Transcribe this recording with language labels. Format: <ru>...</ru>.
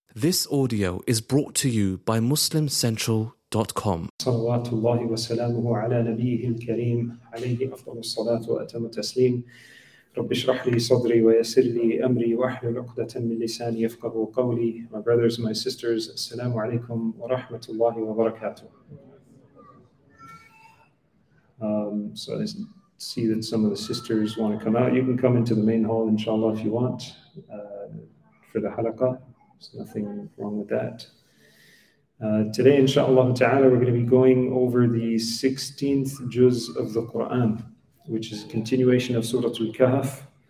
<en>This audio is brought to you by MuslimCentral.com.</en> <ar>صلوات الله وسلامه على نبيه الكريم عليه أفضل الصلاة وأتم التسليم. رب اشرح لي صدري ويسر لي أمري واحلل عقدة من لساني يفقهوا قولي.</ar> <en>My brothers, my sisters,</en> <ar>السلام عليكم ورحمة الله وبركاته.</ar> <en>So I see that some of the sisters want to come out. You can come into the main hall, inshallah, if you want, for the halaqah. There's nothing wrong with that. Today, inshallah ta'ala, we're going to be going over the 16th juz of the Qur'an, which is a continuation of Surah Al-Kahf.</en>